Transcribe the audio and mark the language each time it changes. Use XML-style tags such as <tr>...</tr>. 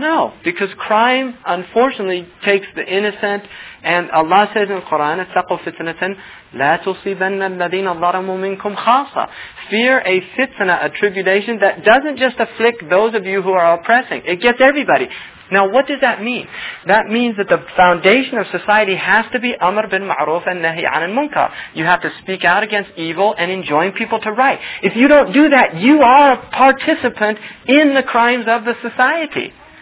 <en>No, because crime, unfortunately, takes the innocent. And Allah says in the Quran,</en> <ar>اتَّقُوا فِتْنَةً لَا تُصِيبَنَّ الَّذِينَ ظَلَمُوا مِنْكُمْ خَاصًا.</ar> <en>Fear a fitna, a tribulation that doesn't just afflict those of you who are oppressing. It gets everybody. Now, what does that mean? That means that the foundation of society has to be Amr bin Ma'ruf and Nahi an Munkar. You have to speak out against evil and enjoin people to right. If you don't do that, you are a participant in the crimes of the society.</en>